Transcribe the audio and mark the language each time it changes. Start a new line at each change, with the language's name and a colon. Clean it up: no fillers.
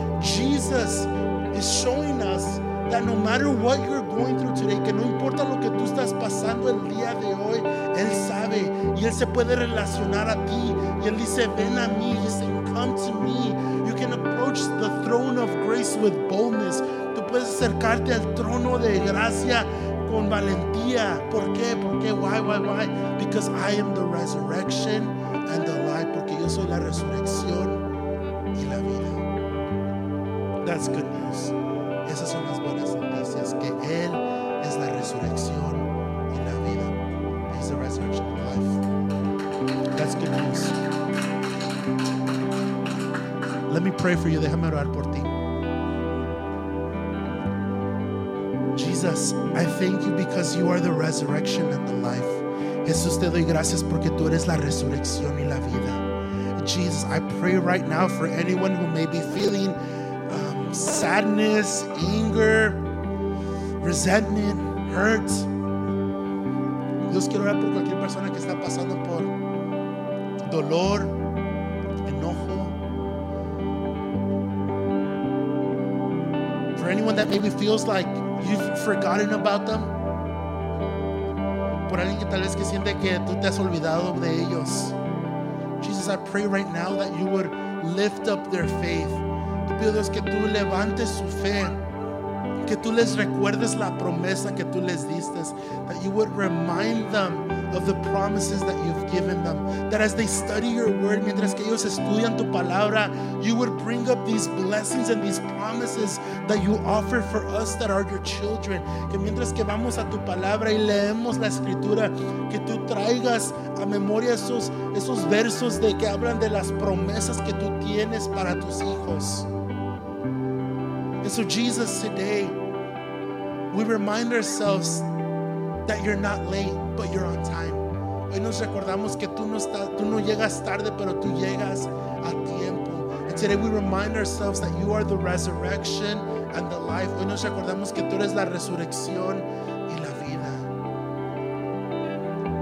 English: Jesus is showing us that no matter what you're going through today,
Spanish: que no importa lo que tú estás pasando el día de hoy, Él sabe y Él se puede relacionar a ti. Y Él dice, ven a mí.
English: He's saying, come to me. You can approach the throne of grace with boldness.
Spanish: Tú puedes acercarte al trono de gracia con valentía. ¿Por qué? ¿Por qué?
English: Why? Because I am the resurrection and the life.
Spanish: Porque yo soy la resurrección y la vida.
English: That's good news.
Spanish: Esas son las buenas noticias. Que Él es la resurrección y la vida.
English: He's the resurrection and life. That's good news. Let me pray for you.
Spanish: Déjame orar por ti.
English: Jesus, I thank you because you are the resurrection and the life.
Spanish: Jesús, te doy gracias porque tú eres la resurrección y la vida.
English: Jesus, I pray right now for anyone who may be feeling sadness, anger, resentment, hurt.
Spanish: Dios, quiero orar por cualquier persona que está pasando por dolor, enojo.
English: For anyone that maybe feels like you've forgotten about them.
Spanish: Por alguien que tal vez que siente que tú te has olvidado de ellos.
English: Jesus, I pray right now that you would lift up their faith.
Spanish: Te pido, Dios, que tú levantes su fe. Que tú les recuerdes la promesa que tú les diste.
English: That you would remind them of the promises that you've given them. That as they study your word,
Spanish: mientras que ellos estudian tu palabra,
English: you would bring up these blessings and these promises that you offer for us that are your children.
Spanish: Que mientras que vamos a tu palabra y leemos la escritura, que tú traigas a memoria esos versos de que hablan de las promesas que tú tienes para tus hijos.
English: And so Jesus, today, we remind ourselves that you're not late, but you're on time.
Spanish: Hoy nos recordamos que tú no llegas tarde, pero tú llegas a tiempo.
English: And today we remind ourselves that you are the resurrection and the life.
Spanish: Hoy nos recordamos que tú eres la resurrección y la vida.